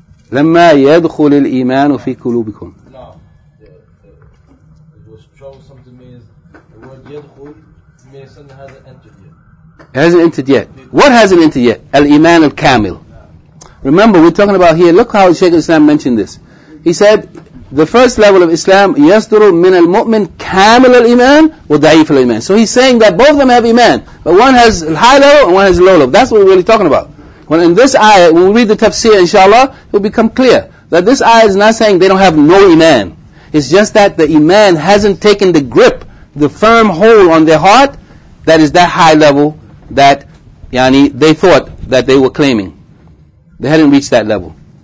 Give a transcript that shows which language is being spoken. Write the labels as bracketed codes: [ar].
[ar] لَمَّا يَدْخُلِ الْإِيمَانُ فِي قُلُوبِكُمْ. [en] It hasn't entered yet. What hasn't entered yet? Al-Iman al-Kamil. Remember, we're talking about here, look how Shaykh al-Islam mentioned this. He said, The first level of Islam, [ar] يَصْدُرُ مِنَ الْمُؤْمِنِ كَامِلَ الْإِيمَانِ وَضَعِيفَ الْإِيمَانِ. [en] So he's saying that both of them have Iman. But one has high level and one has low level. That's what we're really talking about. When in this ayah, when we read the tafsir, inshallah, it will become clear that this ayah is not saying they don't have no Iman. It's just that the Iman hasn't taken the grip, the firm hold on their heart that is that high level that yani they thought that they were claiming. They hadn't reached that level.